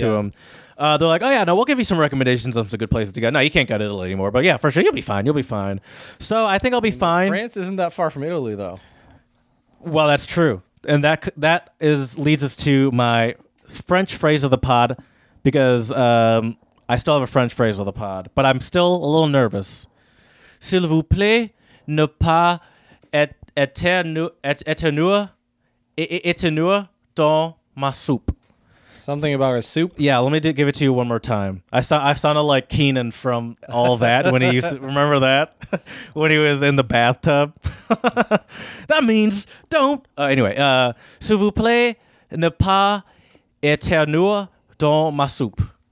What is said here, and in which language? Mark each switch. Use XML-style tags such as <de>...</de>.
<en>to them. They're like, oh, yeah, no, we'll give you some recommendations on some good places to go. No, you can't go to Italy anymore. But, yeah, for sure, you'll be fine. You'll be fine. So I think I'll be fine. France isn't that far from Italy, though. Well, that's true. And that is leads us to my French phrase of the pod, because I still have a French phrase of the pod. But I'm still a little nervous.</en> <fr>S'il vous plaît, ne pas éternuer dans ma soupe.</fr> <en>Something about a soup. Yeah, let me give it to you one more time. I sounded like Keenan from All That when he used to remember that when he was in the bathtub. That means don't.</en> <fr>Anyway, s'il vous plaît, ne pas éternuer dans ma soupe.</fr>